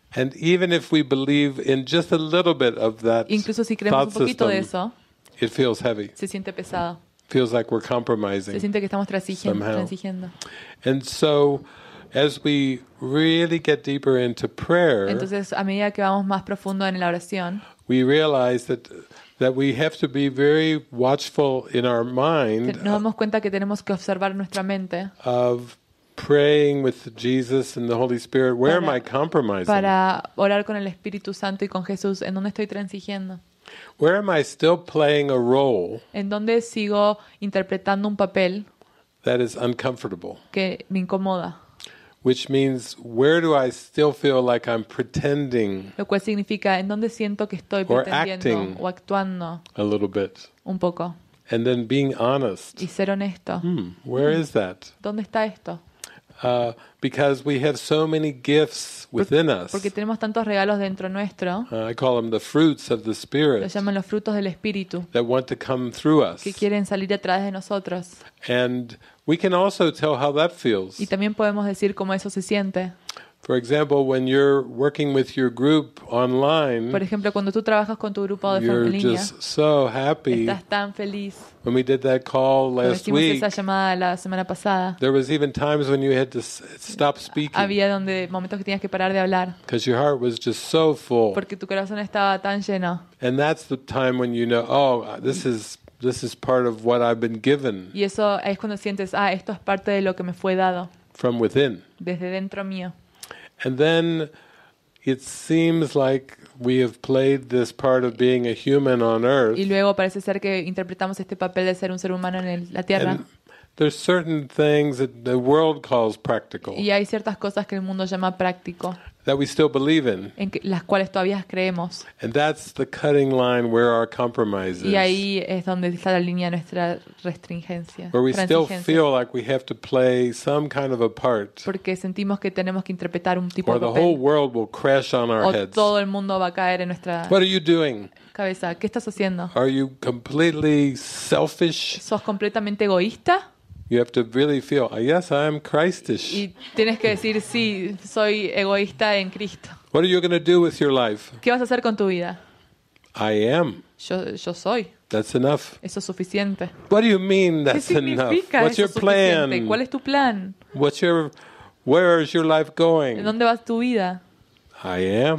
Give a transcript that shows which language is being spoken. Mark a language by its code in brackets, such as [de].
[en] And even if we believe in just a little bit of that, [es] incluso si creemos un poquito [en] system, [es] de eso, [en] it feels heavy. [es] Se siente pesado. [en] Feels like we're compromising. [es] Se siente que estamos transigiendo. [en] And so, as we really get deeper into prayer, [es] entonces a medida que vamos más profundo en la oración, [en] we realize that. That we have to be very watchful in our mind. [es] Nos damos cuenta que tenemos que observar nuestra mente. [en] Of praying with Jesus and the Holy Spirit. Where am I compromising? [es] Para orar con el Espíritu Santo y con Jesús. ¿En dónde estoy transigiendo? [en] Where am I still playing a role? [es] ¿En dónde sigo interpretando un papel? [en] That is uncomfortable. [es] Que me incomoda. [en] Which means, where do I still feel like I'm pretending? [es] Lo cual significa en dónde siento que estoy pretendiendo o actuando. [en] A little bit. [es] Un poco. [en] And then being honest. [es] Y ser honesto. [en] Where is that? [es] ¿Dónde está esto? [en] Because we have so many gifts within us. [es] Porque tenemos tantos regalos dentro nuestro. [en] I call them the fruits of the spirit. [es] Los llaman los frutos del espíritu. [en] That want to come through us. [es] Que quieren salir a través de nosotros. [en] And we can also tell how that feels. [es] Y también podemos decir cómo eso se siente. [en] For example, when you're working with your group online. [es] Por ejemplo, cuando tú trabajas con tu grupo de familia. [en] You're just so happy. [es] Estás tan feliz. [en] When we did that call last week. [es] Hicimos esa llamada la semana pasada. [en] There was even times when you had to stop speaking. [es] Había donde momentos que tenías que parar de hablar. [en] Because your heart was just so full. [es] Porque tu corazón estaba tan lleno. [en] And that's the time when you know, this is part of what I've been given. [es] Y eso es cuando sientes, esto es parte de lo que me fue dado. [en] From within. [es] Desde dentro mío. [en] And then it seems like we have played this part of being a human on earth. [es] Y luego parece ser que interpretamos este papel de ser un ser humano en la tierra. [en] And there's certain things that the world calls practical. [es] Y hay ciertas cosas que el mundo llama práctico. [en] That we still believe in. [es] En las cuales todavía creemos. [en] And that's the cutting line where our compromise is. [es] Y ahí es donde está la línea de nuestra restringencia. [en] Where we still feel like we have to play some kind of a part. [es] Porque sentimos que tenemos que interpretar un tipo de papel. [en] Or the whole world will crash on our heads. [es] O todo el mundo va a caer en nuestra cabeza. [en] What are you doing? [es] ¿Qué estás haciendo? [en] Are you completely selfish? [es] ¿Sos completamente egoísta? [en] You have to really feel, yes, I am Christish. [es] Y tienes que decir sí, soy egoísta en Cristo. [en] What are you going to do with your life? [es] ¿Qué vas a hacer con tu vida? [en] I am. [es] Yo soy. [en] That's enough. [es] Eso es suficiente. [en] What do you mean that's enough? [es] ¿Qué significa? [en] What's your plan? [es] ¿Cuál es tu plan? [en] Where is your life going? [es] ¿Dónde vas tu vida? [en] I am.